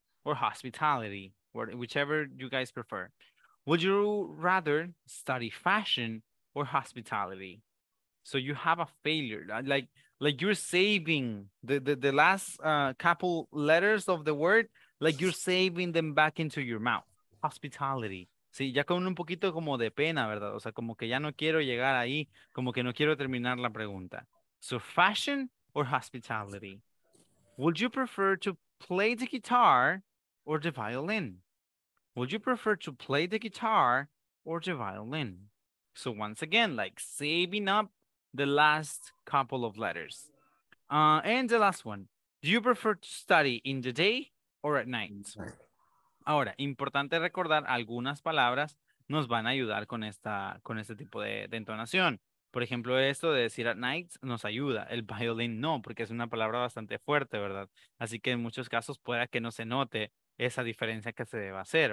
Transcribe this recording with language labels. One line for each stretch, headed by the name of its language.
English: Or hospitality, whichever you guys prefer. Would you rather study fashion or hospitality? So you have a failure, like you're saving the last couple letters of the word, like you're saving them back into your mouth. Hospitality.
Spanish: Sí, ya con un poquito como de pena, ¿verdad? O sea, como que ya no quiero llegar ahí, como que no quiero terminar la pregunta.
English: So fashion or hospitality? Would you prefer to play the guitar or the violin? Would you prefer to play the guitar or the violin? So once again, like saving up the last couple of letters. And the last one. Do you prefer to study in the day or at night?
Spanish: Ahora, importante recordar algunas palabras nos van a ayudar con este tipo de entonación. Por ejemplo, esto de decir at night nos ayuda. El violin no, porque es una palabra bastante fuerte, ¿verdad? Así que en muchos casos pueda que no se note esa diferencia que se deba hacer.